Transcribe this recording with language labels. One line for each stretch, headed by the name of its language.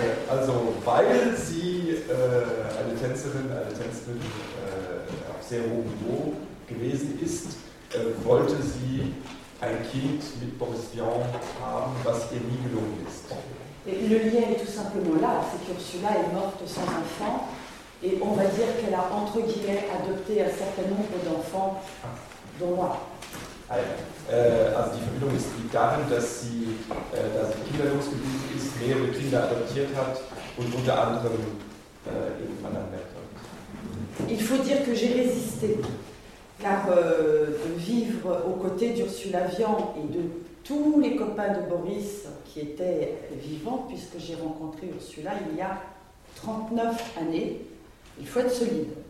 German: Also weil sie eine Tänzerin, auf sehr hohem Niveau gewesen ist, wollte sie ein Kind mit Boris Vian haben, was ihr nie gelungen ist.
French: Et le lien est tout simplement là, c'est qu'Ursula est morte sans enfant, et on va dire qu'elle a entre guillemets adopté un certain nombre d'enfants, dont moi.
German: Also die Verbindung liegt darin, dass sie kinderlos geblieben ist, mehrere Kinder adoptiert hat und unter anderem eben von einem Vater.
French: Il faut dire que j'ai résisté, car de vivre aux côtés d'Ursula Vian et de tous les copains de Boris qui étaient vivants, puisque j'ai rencontré Ursula il y a 39 années, il faut être solide.